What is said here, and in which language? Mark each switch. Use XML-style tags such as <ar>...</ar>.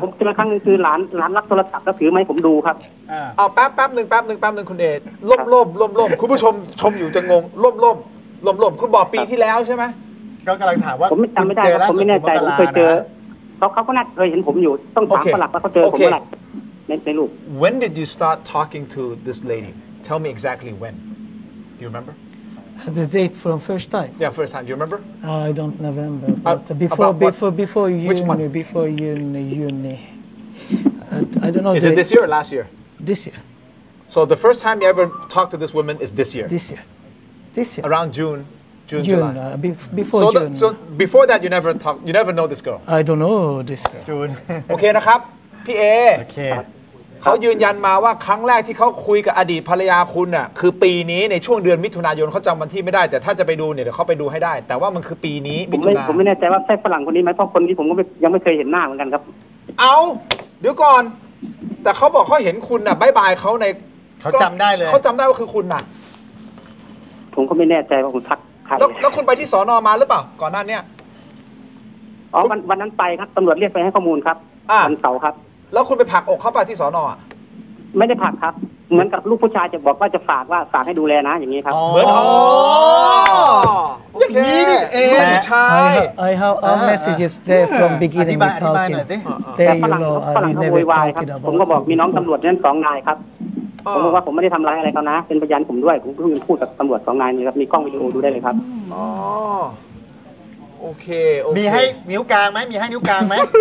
<th>ผมจำครั้งนึงคือหลานรับโทรศัพท์แล้วถือไม่ผมดูครับ เอาแป๊บหนึ่งคุณเอล่มคุณผู้ชมชมอยู่จะงงล่มคุณบอกปีที่แล้วใช่ไหม ก็กำลังถามว่า ผมจำไม่ได้ผมไม่แน่ใจผมเคยเจอเขาก็น่าเคยเห็นผมอยู่ต้องถามประหลัดว่าเขาเจอผมเมื่อไหร่ในรูป</th> <en>When did you start talking to this lady? Tell me exactly when. Do you remember The date from first time. Yeah, first time. Do you remember? I don't remember. But before uni. Which month? Before uni. I don't know. Is it this year or last year? This year. So the first time you ever talked to this woman is this year? This year. Around June, July. Before June. So before that, you never know this girl? I don't know this girl. June.</en> <th>Okay, นะครับ พี่เอ</th> <en>Okay.</en> <th>เขายืนยันมาว่าครั้งแรกที่เขาคุยกับอดีตภรรยาคุณน่ะคือปีนี้ในช่วงเดือนมิถุนายนเขาจำวันที่ไม่ได้แต่ถ้าจะไปดูเนี่ยเดี๋ยวเขาไปดูให้ได้แต่ว่ามันคือปีนี้มิถุนา ผมไม่แน่ใจว่าใช่ฝรั่งคนนี้ไหมเพราะคนที่ผมก็ยังไม่เคยเห็นหน้าเหมือนกันครับ เอาเดี๋ยวก่อนแต่เขาบอกเขาเห็นคุณน่ะบายบายเขาใน เขาจำได้เลย เขาจำได้ว่าคือคุณน่ะ ผมก็ไม่แน่ใจว่าคุณทักใคร แล้วคุณไปที่สน. มาหรือเปล่าก่อนหน้านี้ อ๋อวันนั้นไปครับตำรวจเรียกไปให้ข้อมูลครับวันเสาร์ครับ แล้วคุณไปผักอกเขาไปที่สน. ไม่ได้ผักครับเหมือนกับลูกผู้ชายจะบอกว่าจะฝากว่าฝากให้ดูแลนะอย่าง นี้ครับ เหมือนอย่างนี้นี่เองลูกชาย</th> <en>I have a message there from beginning of talking</en> <th>แต่ฝรั่งเขาโวยวายครับผมก็บอกมีน้องตำรวจนั่นสองนายครับผมบอกว่าผมไม่ได้ทำร้ายอะไรเขานะเป็นพยานผมด้วยผมเพิ่งพูดกับตำรวจสองนายนี่ครับมีกล้องวิดีโอดูได้เลยครับ โอเค มีให้นิ้วกลางไหมมีให้นิ้วกลางไหม</th>